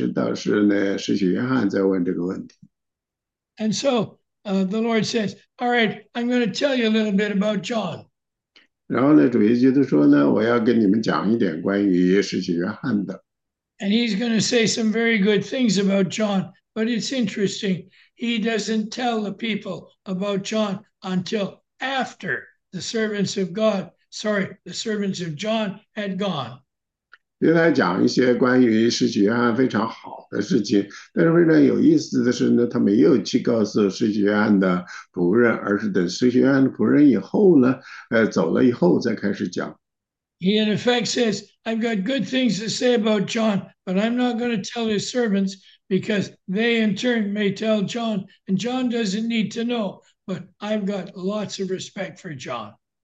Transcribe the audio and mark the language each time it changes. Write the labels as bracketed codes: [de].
[zh] 因为这个里面呢，他们来到主耶稣基督这里，有很多人跟主耶稣基督在一起，他们也知道是呢，使徒约翰在问这个问题。 [en] And so the Lord says, all right, I'm going to tell you a little bit about John. [zh] 然后呢，主耶稣基督说呢，我要跟你们讲一点关于使徒约翰的。 [en] And he's going to say some very good things about John, but it's interesting. He doesn't tell the people about John until after the servants of God, sorry, the servants of John had gone. [zh] 因为他讲一些关于使徒约翰非常好的事情，但是非常有意思的是呢，他没有去告诉使徒约翰的仆人，而是等使徒约翰的仆人以后呢，走了以后再开始讲。 [en] He in effect says, I've got good things to say about John, but I'm not going to tell his servants because they in turn may tell John, and John doesn't need to know, but I've got lots of respect for John.